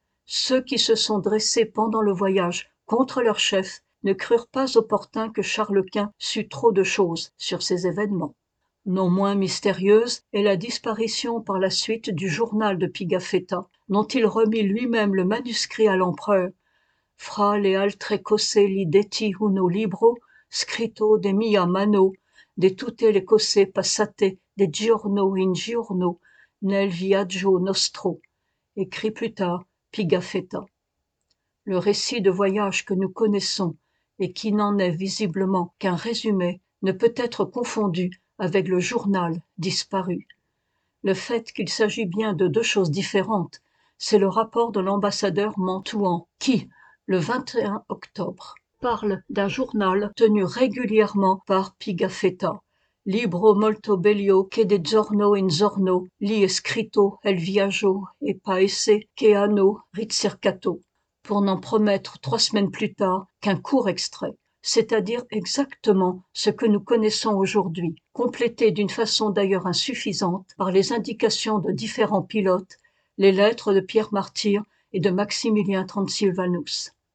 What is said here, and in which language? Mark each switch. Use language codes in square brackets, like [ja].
[fr] Ceux qui se sont dressés pendant le voyage contre leur chef ne crurent pas opportun que Charles Quint sût trop de choses sur ces événements. Non moins mystérieuse est la disparition par la suite du journal de Pigafetta, dont il remit lui-même le manuscrit à l'empereur. [it] « Fra le altre cose li detti uno libro, scritto de mia mano, de tutte le cose passate de giorno in giorno, nel viaggio nostro », [fr] écrit plus tard [it] Pigafetta. [fr] Le récit de voyage que nous connaissons et qui n'en est visiblement qu'un résumé, ne peut être confondu avec le journal disparu. Le fait qu'il s'agit bien de deux choses différentes, c'est le rapport de l'ambassadeur Mantouan, qui, le 21 octobre, parle d'un journal tenu régulièrement par Pigafetta. [it] « Libro molto bello che de giorno in giorno, li è scritto el viaggio e paese che hanno ricercato. » [fr] pour n'en promettre 3 semaines plus tard qu'un court extrait, c'est-à-dire exactement ce que nous connaissons aujourd'hui, complété d'une façon d'ailleurs insuffisante par les indications de différents pilotes, les lettres de Pierre Martyr et de Maximilien Transylvanus.